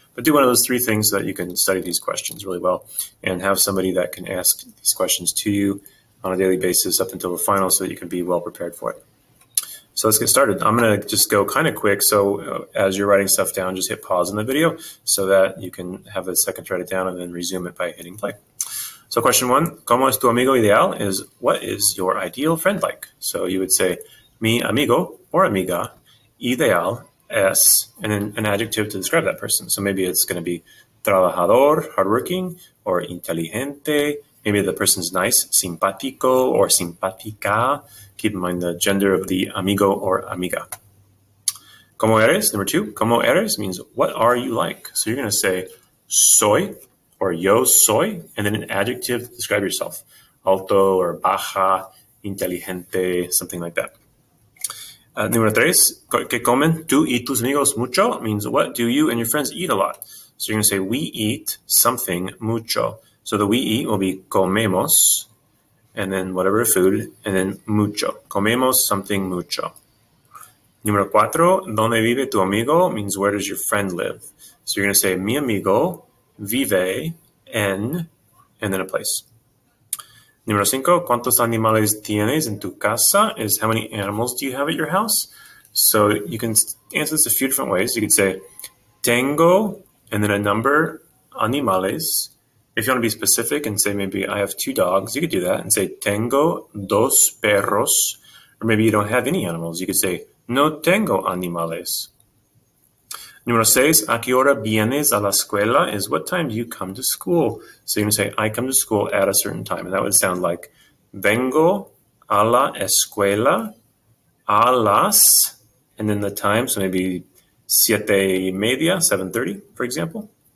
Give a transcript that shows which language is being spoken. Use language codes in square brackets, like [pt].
[en] But do one of those three things so that you can study these questions really well and have somebody that can ask these questions to you on a daily basis up until the final so that you can be well prepared for it. So let's get started. I'm gonna just go kind of quick. So as you're writing stuff down, just hit pause in the video so that you can have a second to write it down and then resume it by hitting play. So question one, [es] ¿Cómo es tu amigo ideal? [en] Is what is your ideal friend like? So you would say, [es] mi amigo or amiga ideal es, [en] and then an adjective to describe that person. So maybe it's gonna be trabajador, hardworking, or inteligente. Maybe the person's nice, simpático or simpática. Keep in mind the gender of the amigo or amiga. [es] ¿Cómo eres? [en] Number two, [es] ¿cómo eres? [en] Means what are you like? So you're gonna say soy or [es] yo soy, [en] and then an adjective to describe yourself. Alto or baja, inteligente, something like that. [es] Número tres, ¿qué comen tú y tus amigos mucho? [en] Means what do you and your friends eat a lot? So you're gonna say we eat something mucho. So the we eat will be [es] comemos, [en] and then whatever food, and then mucho. [es] Comemos [en] something [es] mucho. Número cuatro, ¿dónde vive tu amigo? [en] Means where does your friend live? So you're gonna say [es] mi amigo vive en, [en] and then a place. [es] Número cinco, ¿cuántos animales tienes en tu casa? [en] Is how many animals do you have at your house? So you can answer this a few different ways. You could say [es] tengo, [en] and then a number, [es] animales. [en] If you want to be specific and say maybe I have two dogs, you could do that and say [es] tengo dos perros. [en] Or maybe you don't have any animals. You could say [es] no tengo animales. Número seis, ¿a qué hora vienes a la escuela? [en] Is what time do you come to school? So you can say I come to school at a certain time. And that would sound like [es] vengo a la escuela a las, [en] and then the time. So maybe 7:30, 7:30, for example.